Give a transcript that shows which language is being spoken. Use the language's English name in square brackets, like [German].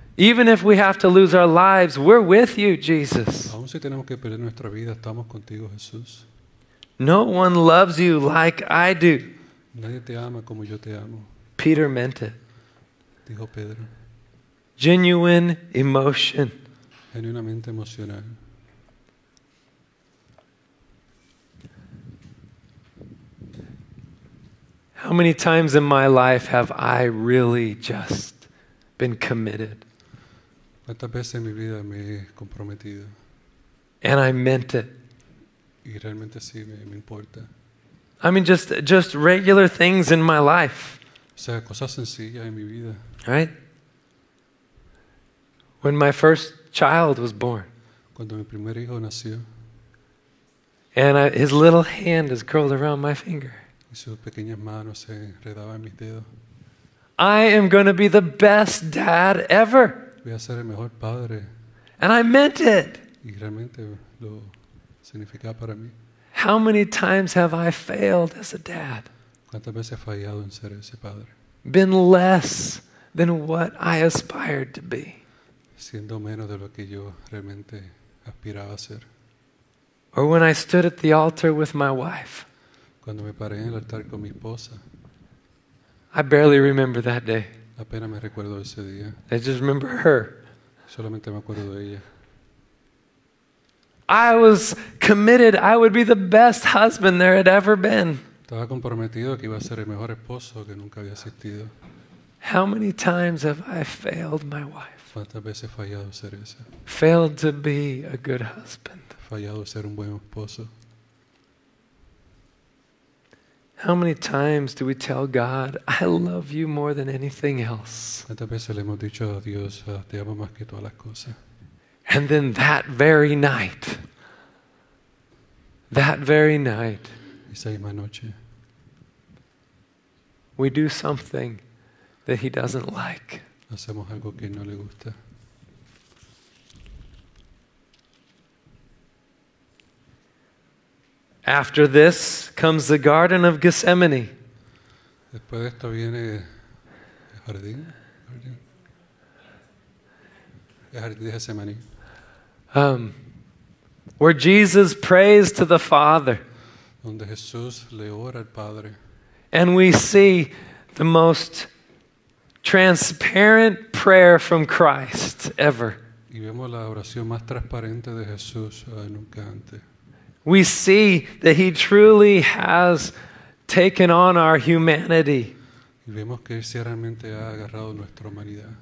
[English] Even if we have to lose our lives, we're with you, Jesus. [Spanish] Aún si tenemos que perder nuestra vida, estamos contigo, Jesús. [English] No one loves you like I do. [Spanish] Nadie te ama como yo te amo. [English] Peter meant it. [Spanish] Dijo Pedro. [English] Genuine emotion. [Spanish] Genuinamente emocional. [English] How many times in my life have I really just been committed? [Spanish] ¿Cuántas veces en mi vida me he comprometido? [English] And I meant it. [Spanish] Y realmente sí, me importa. [English] I mean, just regular things in my life. [Spanish] O sea, cosas sencillas en mi vida. [English] Right? When my first child was born. [Spanish] Cuando mi primer hijo nació. [English] And his little hand is curled around my finger. [Spanish] Y sus pequeñas manos se enredaban en mis dedos. [English] I am going to be the best dad ever. [Spanish] Voy a ser el mejor padre. [English] And I meant it. [Spanish] Y realmente lo significaba para mí. [English] How many times have I failed as a dad? [Spanish] ¿Cuántas veces he fallado en ser ese padre? [English] Been less than what I aspired to be. [Spanish] Siendo menos de lo que yo realmente aspiraba a ser. [English] Or when I stood at the altar with my wife. [Spanish] Cuando me paré en el altar con mi esposa. [English] I barely remember that day. [Spanish] Apenas me recuerdo ese día. [English] I just remember her. [Spanish] Solamente me acuerdo de ella. [English] I was committed I would be the best husband there had ever been. [Spanish] Estaba comprometido que iba a ser el mejor esposo que nunca había existido. [English] How many times have I failed my wife? [Spanish] ¿Cuántas veces he fallado a ser esa? [English] Failed to be a good husband. [Spanish] Fallado a ser un buen esposo. [English] How many times do we tell God, I love you more than anything else? [Spanish] ¿Cuántas veces le hemos dicho a Dios, te amo más que todas las cosas? [English] And then that very night, [Spanish] esa misma noche, [English] we do something that he doesn't like. [Spanish] Hacemos algo que no le gusta. [English] After this comes the Garden of Gethsemane. [Spanish] Después de esto viene el jardín. El jardín de Gethsemane. [English] Where Jesus prays to the Father. [Spanish] Donde Jesús le ora al Padre. [English] And we see the most transparent prayer from Christ ever. [Spanish] Y vemos la oración más transparente de Jesús nunca antes. [English] We see that he truly has taken on our humanity. [Spanish] Y vemos que él ciertamente ha agarrado nuestra humanidad.